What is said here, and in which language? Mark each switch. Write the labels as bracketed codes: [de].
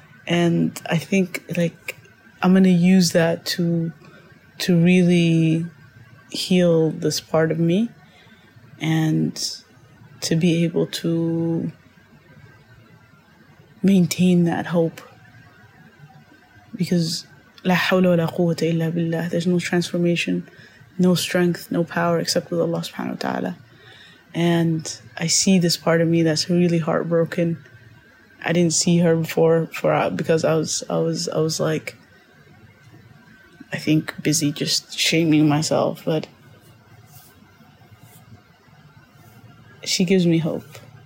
[en] And I think, like, I'm going to use that to really heal this part of me and to be able to maintain that hope. Because [ar] لا حول ولا قوة إلا بالله. [en] There's no transformation, no strength, no power except with Allah subhanahu wa ta'ala. And I see this part of me that's really heartbroken. I didn't see her before, because I was like, I think busy just shaming myself. But she gives me hope.